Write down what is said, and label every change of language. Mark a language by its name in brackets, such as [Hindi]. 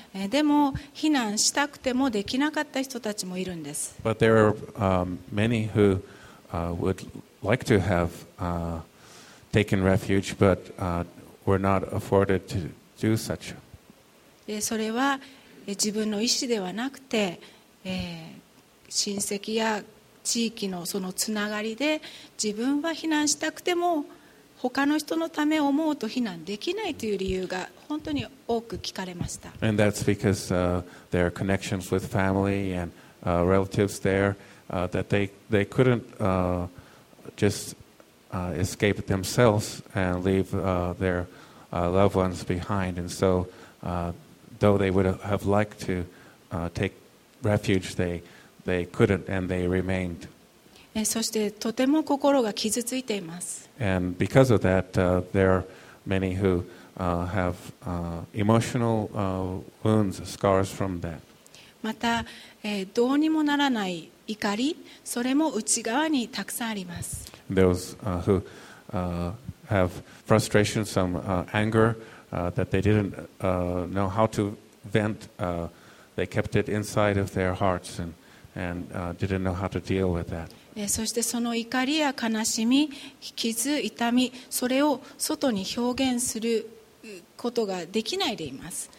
[Japanese] でも避難したくてもできなかった人たちもいるんです。 [English] But there are many who would like to have taken refuge, but were not afforded to do such. [Japanese] それは自分の意思ではなくて、親戚や地域のそのつながりで自分は避難したくても他の人のため思うと避難できないという理由が本当に多く聞かれました。 [English] And that's because there are connections with family and relatives there that they couldn't just escape themselves and leave their loved ones behind. And so though they would have liked to take refuge, they couldn't and they remained. [Japanese] そしてとても心が傷ついています。 [English] And because of that, there are many who have emotional wounds, scars from that. [Japanese] また、どうにもならない怒り、それも内側にたくさんあります。 [English] Those who have frustration, some anger that they didn't know how to vent, they kept it inside of their hearts and didn't know how to deal with that. [Japanese] そしてその怒りや悲しみ、傷、痛み、それを外に表現することができないでいます。